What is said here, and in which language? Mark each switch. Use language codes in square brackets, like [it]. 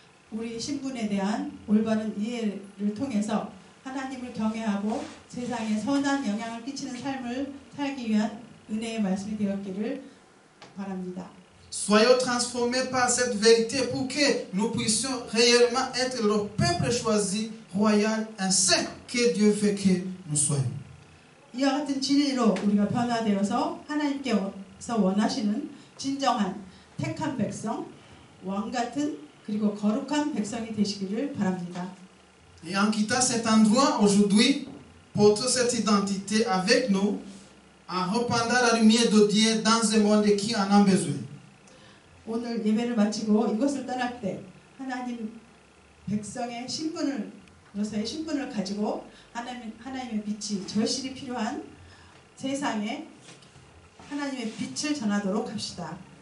[ko] 우리 신분에 대한 올바른 이해를 통해서 하나님을 경외하고 세상에 선한 영향을 끼치는 삶을 살기 위한 은혜의 말씀이 되었기를 바랍니다. [fr] Soyons transformés par cette vérité pour que nous puissions réellement être le peuple choisi, royal, un saint que Dieu veut que nous soyons. [ko] 이와 같은 진리로 우리가 변화되어서 하나님께서 원하시는 진정한 택한 백성, 왕 같은 그리고 거룩한 백성이 되시기를 바랍니다. [fr] Et en quittant cet endroit aujourd'hui, portons cette identité avec nous, en répandant la lumière de Dieu dans un monde qui en a besoin. [ko] 오늘 예배를 마치고 이곳을 떠날 때 하나님 백성의 신분으로서의 신분을 가지고 하나님의 빛이 절실히 필요한 세상에 하나님의 빛을 전하도록 합시다.